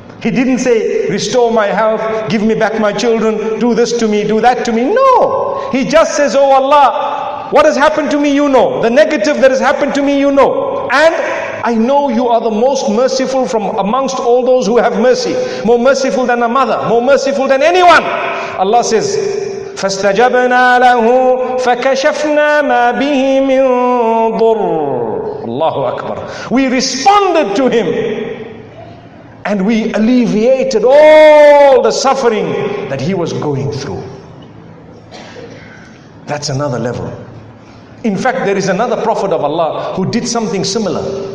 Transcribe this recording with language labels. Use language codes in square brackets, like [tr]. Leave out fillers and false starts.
[en] He didn't say, restore my health, give me back my children, do this to me, do that to me. No. He just says, oh Allah, what has happened to me, you know. The negative that has happened to me, you know. And I know you are the most merciful from amongst all those who have mercy. More merciful than a mother, more merciful than anyone. Allah says, [ar] فَاسْتَجَبْنَا لَهُ فَكَشَفْنَا مَا بِهِ مِنْ ضُرٍّ. Allahu Akbar. [en] We responded to him and we alleviated all the suffering that he was going through. That's another level. In fact, there is another prophet of Allah who did something similar.